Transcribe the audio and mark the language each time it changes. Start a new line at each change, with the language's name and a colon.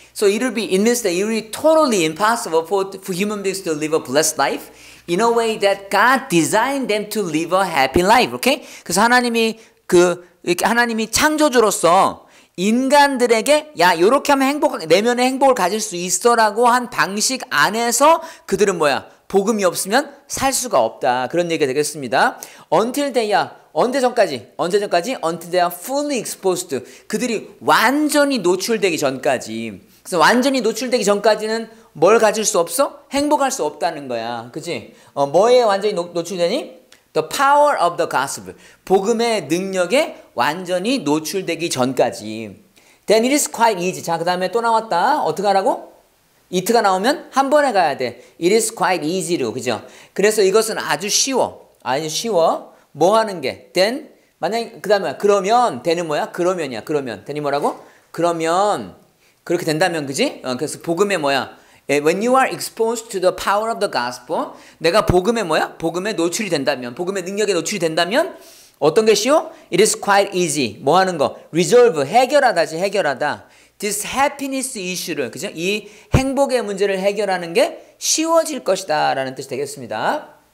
English: So it'll be in this day, it'll be totally impossible for human beings to live a blessed life in a way that God designed them to live a happy life. Okay?
Korean: 그래서 하나님이 하나님이 창조주로서 인간들에게 야 이렇게 하면 행복하게 내면의 행복을 가질 수 있어라고 한 방식 안에서 그들은 뭐야 복음이 없으면 살 수가 없다 그런 얘기가 되겠습니다.
English: Until they are
Korean: 언제 전까지
English: until they are fully exposed.
Korean: 그들이 완전히 노출되기 전까지. 그래서 완전히 노출되기 전까지는 뭘 가질 수 없어? 행복할 수 없다는 거야. 그치? 뭐에 완전히 노출되니?
English: The power of the gospel.
Korean: 복음의 능력에 완전히 노출되기 전까지.
English: Then it is quite easy.
Korean: 자, 그 다음에 또 나왔다. 어떻게 하라고? It가 나오면 한 번에 가야 돼.
English: It is quite easy로. 그죠?
Korean: 그래서 이것은 아주 쉬워. 아주 쉬워. 뭐 하는 게? Then? 만약에, 그 다음에, 그러면. Then은 뭐야? 그러면이야. 그러면. Then이 뭐라고? 그러면. 그렇게 된다면 그지? 그래서 복음의 뭐야?
English: When you are exposed to the power of the gospel,
Korean: 내가 복음의 뭐야? 복음에 노출이 된다면, 복음의 능력에 노출이 된다면 어떤 게 쉬워?
English: It is quite easy.
Korean: 뭐 하는 거? Resolve, 해결하다지, 해결하다.
English: This happiness issue를, 그죠?
Korean: 이 행복의 문제를 해결하는 게 쉬워질 것이다 라는 뜻이 되겠습니다.